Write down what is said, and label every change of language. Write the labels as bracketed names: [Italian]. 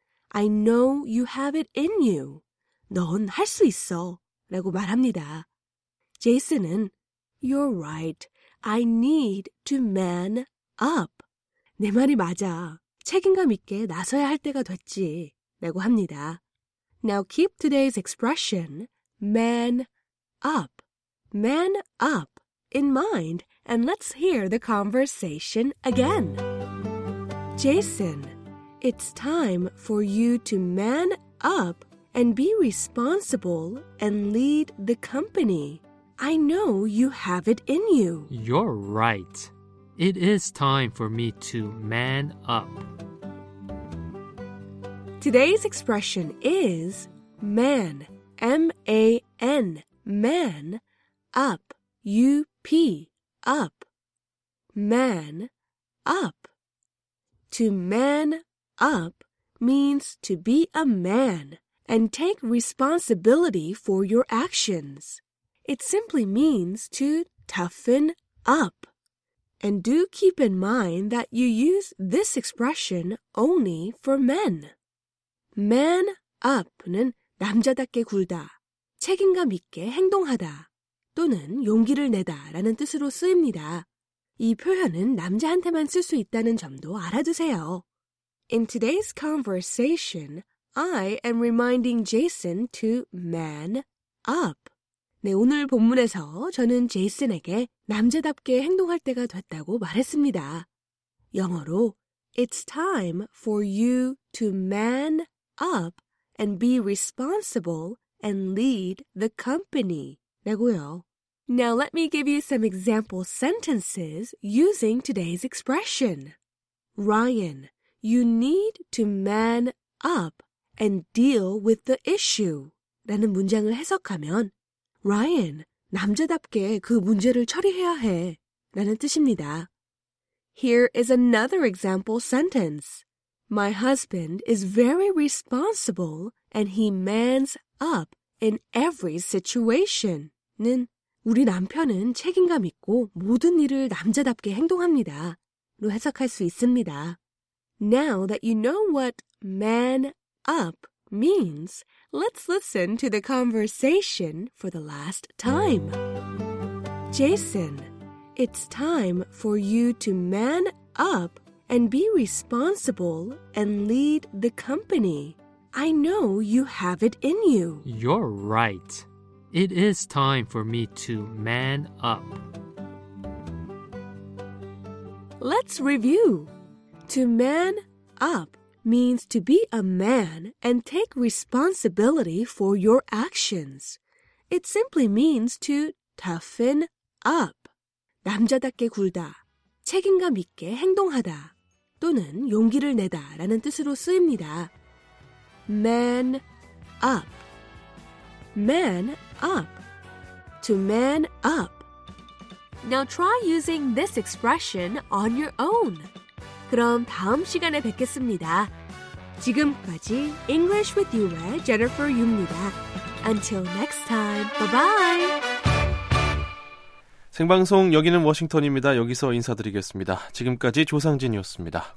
[English] I know you have it in you. [Korean] 넌 할 수 있어. 라고 말합니다. [English] Jason은 You're right. I need to man up. [Korean] 내 말이 맞아. 책임감 있게 나서야 할 때가 됐지. 라고 합니다. [English] Now keep today's expression. Man up, man up in mind, and let's hear the conversation again. Jason, it's time for you to man up and be responsible and lead the company. I know you have it in you. You're right. It is time for me to man up. Today's expression is man, M-A-N, man, up, U-P, up, man, up. To man up means to be a man and take responsibility for your actions. It simply means to toughen up. And do keep in mind that you use this expression only for men. [Korean] Man up는 남자답게 굴다, 책임감 있게 행동하다, 또는 용기를 내다라는 뜻으로 쓰입니다. 이 표현은 남자한테만 쓸 수 있다는 점도 알아두세요. [English] In today's conversation, I am reminding Jason to man up. [Korean] 네, 오늘 본문에서 저는 제이슨에게 남자답게 행동할 때가 됐다고 말했습니다. 영어로 [English] It's time for you to man up and be responsible and lead the company [Korean] 라고요. [English] Now let me give you some example sentences using today's expression. Ryan, you need to man up and deal with the issue [Korean] 라는 문장을 해석하면 Ryan, 남자답게 그 문제를 처리해야 해 라는 뜻입니다. [English] Here is another example sentence. My husband is very responsible and he mans up in every situation. [Korean] 는 우리 남편은 책임감 있고 모든 일을 남자답게 행동합니다. 로 해석할 수 있습니다. [English] Now that you know what man up means, let's listen to the conversation for the last time. Jason, it's time for you to man up and be responsible and lead the company. I know you have it in you. You're right. It is time for me to man up. Let's review. To man up means to be a man and take responsibility for your actions. It simply means to toughen up. [Korean] 남자답게 굴다, 책임감 있게 행동하다, 또는 용기를 내다 라는 뜻으로 쓰입니다. [English] Man up. Man up. To man up. Now try using this expression on your own. [Korean] 그럼 다음 시간에 뵙겠습니다. 지금까지 English with You의 Jennifer Yu입니다. [English] Until next time, bye-bye! [Korean] 생방송 여기는 워싱턴입니다. 여기서 인사드리겠습니다. 지금까지 조상진이었습니다.